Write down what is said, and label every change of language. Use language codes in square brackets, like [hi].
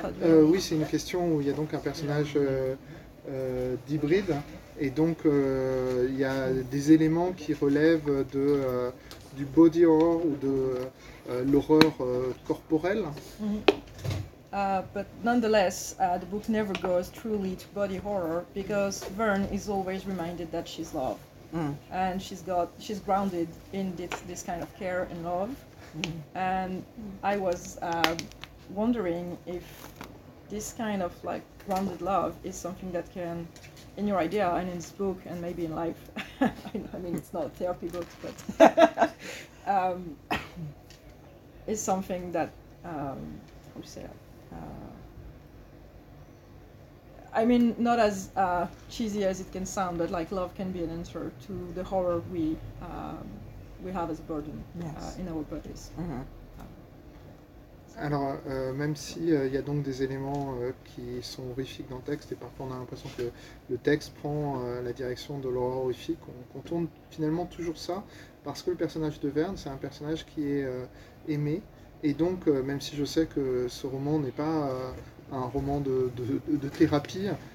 [fr] Oui, c'est une question où il y a donc un personnage d'hybride. Et donc, il y a des éléments qui relèvent de, du body horror ou de l'horreur corporelle. [en] But nonetheless, the book never goes truly to body horror because Verne is always reminded that she's love. And she's grounded in this kind of care and love. And I was wondering if this kind of like grounded love is something that can, in your idea and in this book and maybe in life, I mean it's not a therapy book, but is something that how do you say that? I mean, not as cheesy as it can sound, but like love can be an answer to the horror we have as a burden in our bodies. Mm-hmm. [fr] Alors, même si il y a donc des éléments qui sont horrifiques dans le texte, et parfois on a l'impression que le texte prend la direction de l'horreur horrifique, on contourne finalement toujours ça, parce que le personnage de Verne, c'est un personnage qui est aimé, et donc, même si je sais que ce roman n'est pas un roman de thérapie,